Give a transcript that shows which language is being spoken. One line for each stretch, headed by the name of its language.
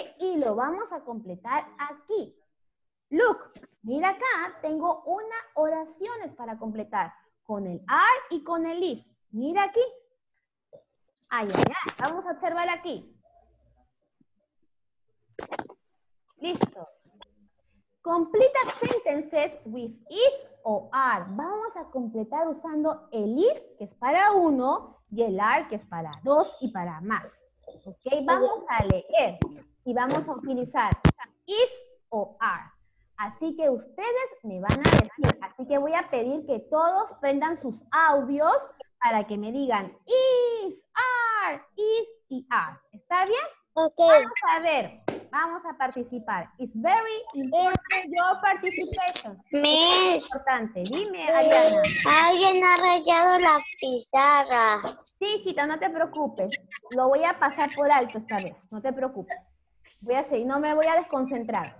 Spanish: Y lo vamos a completar aquí.
English: Look,
Spanish: mira acá, tengo una oración para completar con el are y con el is. Mira aquí. Ay, ay, ay, vamos a observar aquí. Listo.
English: Complete sentences with is o are.
Spanish: Vamos a completar usando el is, que es para uno, y el are, que es para dos y para más. ¿Ok? Vamos a leer y vamos a utilizar is o are. Así que ustedes me van a decir. Así que voy a pedir que todos prendan sus audios para que me digan is, are, is y are. ¿Está bien? Ok. Vamos a ver. Vamos a participar.
English: It's very important your participation.
Spanish: Es importante. Dime, Ariana. Alguien ha rayado la pizarra. Sí, hijita, no te preocupes. Lo voy a pasar por alto esta vez. No te preocupes. Voy a seguir. No me voy a desconcentrar.